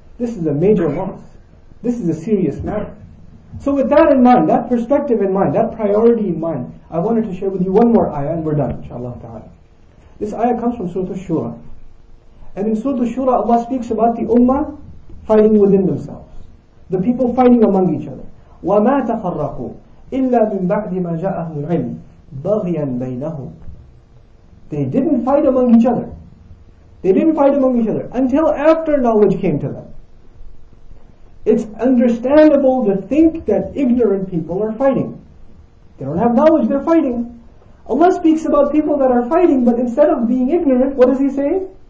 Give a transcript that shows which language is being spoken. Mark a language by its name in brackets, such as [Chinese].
[English] This is a major loss. This is a serious matter. So with that in mind, that perspective in mind, that priority in mind, I wanted to share with you one more ayah and we're done, inshaAllah ta'ala. This ayah comes from Surah Ash-Shura. And in Surah Ash-Shura, Allah speaks about the ummah fighting within themselves. The people fighting among each other. [Arabic] وَمَا تَفَرَّقُوا إِلَّا مِن بَعْدِ مَا جَاءَهُ الْعِلْمِ بَغْيًا بَيْنَهُمْ. [English] They didn't fight among each other. They didn't fight among each other until after knowledge came to them. It's understandable to think that ignorant people are fighting. They don't have knowledge, they're fighting. Allah speaks about people that are fighting, but instead of being ignorant, what does He say?